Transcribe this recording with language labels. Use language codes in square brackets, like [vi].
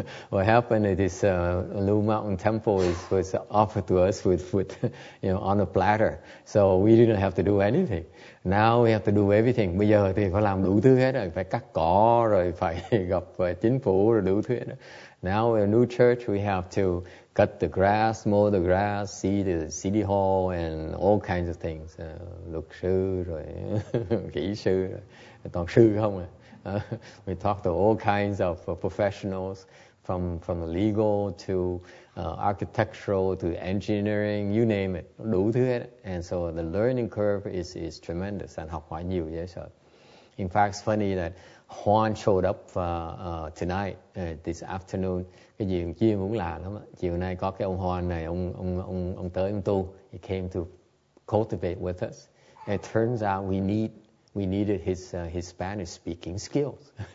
[en] What happened is this Lu Mountain Temple was offered to us with on a platter. So we didn't have to do anything. Now we have to do everything. [vi] Bây giờ thì phải làm đủ thứ hết rồi, phải cắt cỏ rồi phải gặp chính phủ rồi đủ thứ hết. [en] Now in a new church we have to cut the grass, mow the grass, see the city hall and all kinds of things. [vi] Luật sư rồi kỹ sư rồi. Toàn sư không à. [en] We talk to all kinds of professionals from legal to architectural to engineering, you name it, [vi] đủ thứ hết. [en] And so the learning curve is tremendous and [vi] học hỏi nhiều dễ sợ. [en] In fact, it's funny that Juan showed up tonight, this afternoon. [vi] Cái chuyện chia muốn là lắm. Chiều nay có cái ông Juan này, ông tới ông tu. [en] He came to cultivate with us. And it turns out we needed his Spanish speaking skills.